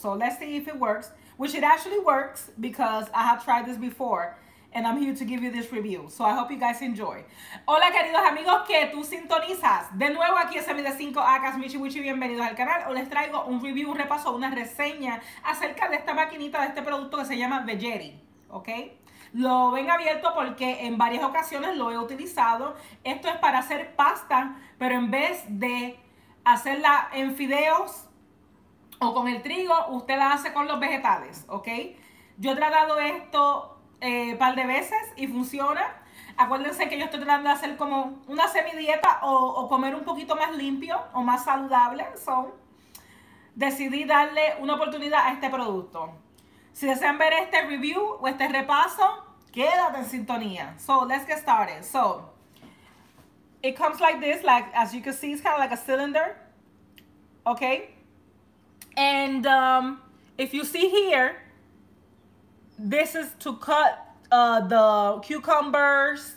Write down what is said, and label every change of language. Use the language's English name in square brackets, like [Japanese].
[English] So let's see if it works, which it actually works because I have tried this before. And I'm here to give you this review. So I hope you guys enjoy. [Spanish] Hola, queridos amigos que tú sintonizas. De nuevo aquí es Amiga 5 Acas, Michi Wichi, bienvenidos al canal. Hoy les traigo un review, un repaso, una reseña acerca de esta maquinita, de este producto que se llama Veggetti. ¿Ok? Lo ven abierto porque en varias ocasiones lo he utilizado. Esto es para hacer pasta, pero en vez de hacerla en fideos o con el trigo, usted la hace con los vegetales. ¿Ok? Yo he tratado esto par de veces y funciona. Acuérdense que yo estoy tratando de hacer como una semidieta o comer un poquito más limpio o más saludable. So, decidí darle una oportunidad a este producto. Si desean ver este review o este repaso, quédate en sintonía. [English] So, let's get started. So, it comes like this, like as you can see, it's kind of like a cylinder. Okay? And if you see here, this is to cut the cucumbers.